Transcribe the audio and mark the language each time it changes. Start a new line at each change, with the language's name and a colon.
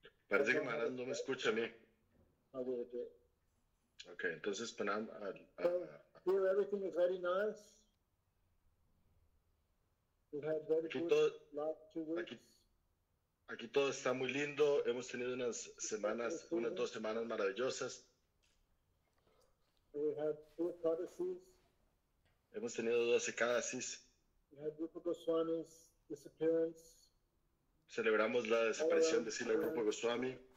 Spanish: Parece que Maharaj no me escucha a mí.
English: I will do it.
Spanish: Okay, entonces, Panam.
English: Here everything is very nice. We've had very good last 2 weeks.
Spanish: Aquí todo está muy lindo. Hemos tenido unas dos semanas maravillosas.
English: We had two Ekadasis.
Spanish: Hemos tenido dos Ekadasis.
English: We had Rupa Goswami's disappearance.
Spanish: Celebramos la desaparición de Srila Rupa Goswami.